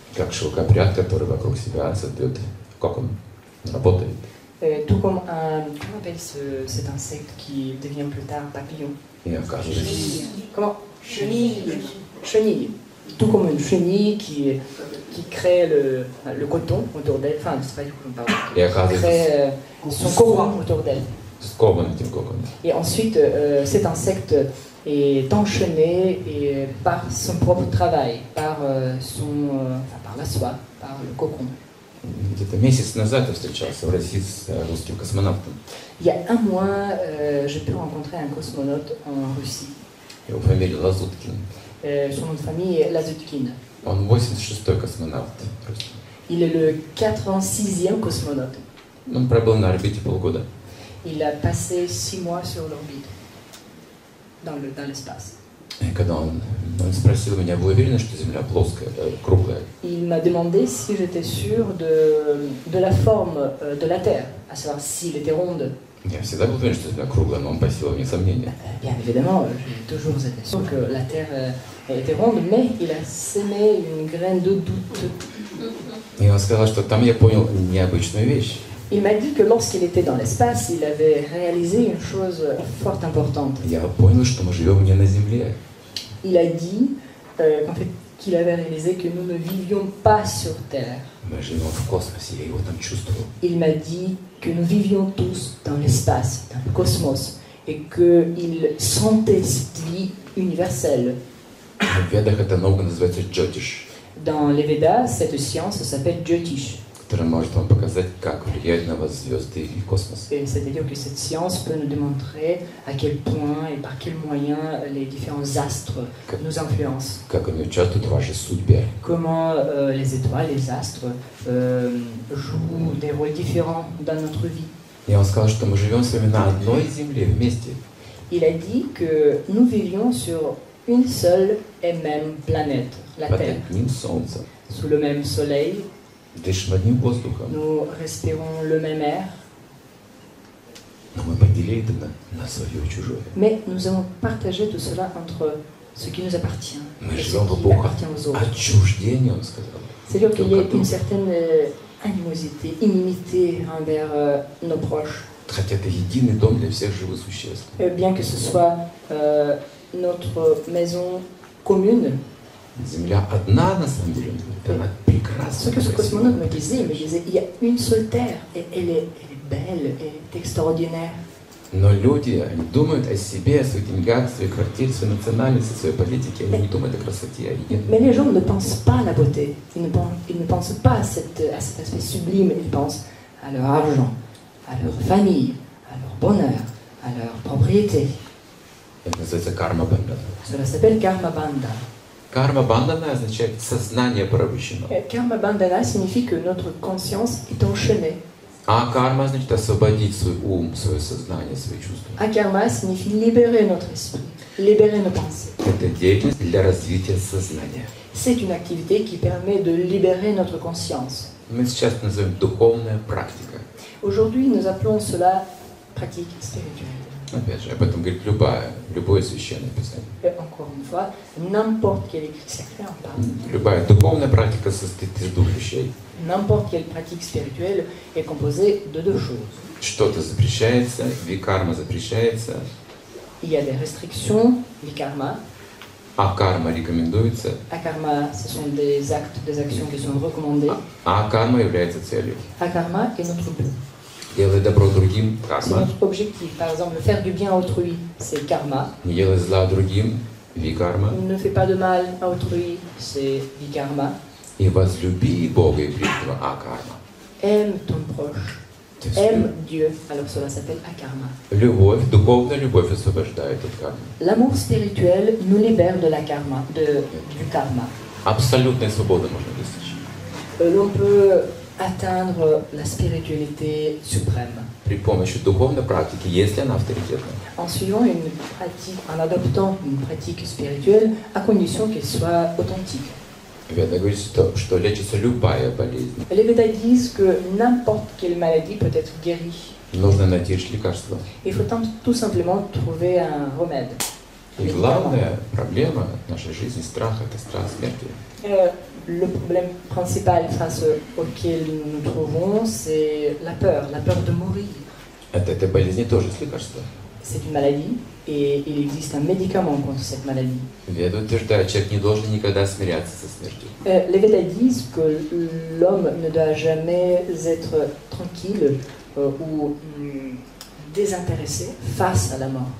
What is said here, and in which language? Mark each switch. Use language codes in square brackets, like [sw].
[ru] Как шелкопряд, который вокруг себя создает кокон. Работает. [fr] Tout comme un... Comment appelle cet insecte qui devient plus tard papillon? Et un cas de... Chenille. Tout comme une chenille qui crée le coton autour d'elle. Enfin, c'est pas du coton, pardon. Et un cas de... crée son cocon autour d'elle. Cocon, c'est le cocon. Et ensuite, cet insecte est enchaîné et par son propre travail, par par la soie, par le cocon. [ru] Где-то месяц назад я встречался в России с русским космонавтом. [fr] Il y a un mois, j'ai pu rencontrer un cosmonaute en Russie. [ru] Его фамилия Лазуткин. [fr] Son nom de famille est Lazutkin. [ru] Он 86-й космонавт. [fr] Il est le 86e cosmonaute. [ru] Он пробыл на орбите полгода. [fr] Il a passé 6 mois sur l'orbite, dans l'espace. Et quand [ru] он спросил меня, вы уверены, что Земля плоская, круглая? [fr] Il m'a demandé si j'étais sûr de la forme de la Terre, à savoir s'il était ronde. [ru] Я всегда был уверен, что Земля круглая, но он посеял мне сомнения. [fr] Bien évidemment, j'ai toujours été sûr que la Terre était ronde, mais il a semé une graine de doute. [ru] И он сказал, что там я понял необычную вещь. [fr] Il m'a dit que lorsqu'il était dans l'espace, il avait réalisé une chose fort importante. [ru] Я понял, что мы живем не на Земле. [fr] Il a dit en fait, qu'il avait réalisé que nous ne vivions pas sur Terre. [ru] Мы живем в космосе, я его там чувствовал. [fr] Il m'a dit que nous vivions tous dans l'espace, dans le cosmos, et qu'il sentait cette vie universelle. [ru] В ведах это наука называется джотиш. [fr] Dans les Védas, cette science s'appelle Jyotish. [ru] Которая может вам показать, как влияет на вас звезды и космос. [fr] C'est-à-dire que cette science peut nous démontrer à quel point et par quels moyens les différents astres nous influencent. [ru] Как они участвуют в вашей судьбе? [fr] Comment les étoiles, les astres jouent des rôles différents dans notre vie? [ru] Я вам сказал, что мы живем с вами на одной земле вместе. [fr] Il a dit que nous vivions sur une seule et même planète, la Terre. Sous le même soleil. [ru] Дышим одним воздухом. [fr] Nous respirons le même air. [ru] Но мы поделили это на свое и чужое. [fr] Mais nous avons partagé tout cela entre ce qui nous appartient [ru] мы [fr] et ce qui appartient aux autres. [ru] Отчуждение, он сказал. [fr] C'est-à-dire qu'il y a une certaine animosité, inimité envers nos proches. [ru] Хотя это единый дом для всех живых существ. [fr] Bien que ce soit notre maison commune. [ru] Земля одна на самом деле, она прекрасна. [fr] Ce que ce cosmonaute me disait, il y a une seule terre et elle est belle, elle est extraordinaire. [ru] Но люди, они думают о себе, о своих деньгах, о своих квартирах, о своей национальности, о своей политике, они не думают о красоте, о единстве. [fr] Mais les gens ne pensent pas à la beauté, ils ne pensent pas à cet aspect sublime, ils pensent à leur argent, à leur famille, à leur bonheur, à leur propriété. [ru] Это называется карма банда. [fr] Cela s'appelle karma banda. [ru] Карма бандана означает сознание порабощено. [fr] Карма бандана signifie que notre conscience est enchaînée. [ru] А карма значит освободить свой ум, свое сознание, свои чувства. [fr] А карма signifie libérer notre esprit, libérer nos pensées. [ru] Это деятельность для развития сознания. [fr] C'est une activité qui permet de libérer notre conscience. [ru] Мы сейчас называем духовная практика. [fr] Aujourd'hui, nous appelons cela pratique spirituelle. [ru] Опять же, об этом говорит любое священное писание. [fr] Encore une fois, n'importe quelle écrit sacré en parle. [ru] Любая духовная практика состоит из двух вещей. [fr] N'importe quelle pratique spirituelle est composée de deux choses. [ru] Что-то запрещается, викарма запрещается. [fr] Il y a des restrictions, викарма. [ru] А карма рекомендуется. [fr] А карма, ce sont des actes, des actions qui sont recommandées. [ru] А карма является целью. [fr] А карма est notre but. [ru] Делай добро другим, карма. [fr] C'est notre objectif. Par exemple, faire du bien à autrui, c'est karma. [ru] Не делай зла другим, викарма. [fr] Ne fais pas de mal à autrui, c'est викарма. [ru] И возлюби Бога и ближнего, а карма. [fr] Aime ton proche. Aime Dieu. Alors cela s'appelle акарма. [ru] Любовь, духовная любовь освобождает от кармы. [fr] L'amour spirituel nous libère de la karma, du karma. [ru] Абсолютная свобода можно достичь. [fr] On peut atteindre la spiritualité suprême. [ru] При помощи духовной практики, если она авторитетна. [fr] En suivant une pratique, en adoptant une pratique spirituelle, à condition qu'elle soit authentique. [ru] Веда говорит, что лечится любая болезнь. [fr] Les Védas disent que n'importe quelle maladie peut être guérie. [ru] Нужно найти лекарство. [fr] Il faut tout simplement trouver un remède. [ru] И главная проблема нашей жизни — страх, это страх смерти. [fr] Le problème principal face auquel nous nous trouvons, c'est la peur de mourir. [ru] Эта болезнь тоже есть лекарство. [fr] C'est une maladie et il existe un médicament contre cette maladie. [ru] Веда утверждает, человек не должен никогда смиряться со смертью. [fr] Les Védas disent que l'homme ne doit jamais être tranquille ou désintéressé face à la mort.